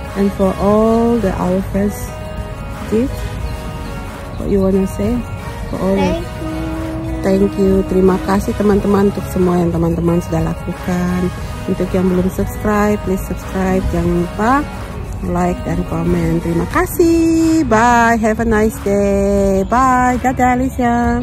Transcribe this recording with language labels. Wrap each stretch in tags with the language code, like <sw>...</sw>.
<en>And for all the our friends, this what you wanna say for all? Thank you.</en> <id>Terima kasih teman-teman untuk semua yang teman-teman sudah lakukan. Untuk yang belum subscribe,</id> <en>please subscribe.</en> <id>Jangan lupa like dan komen. Terima kasih. Bye.</id> <en>Have a nice day. Bye. Dadah, Alicia.</en>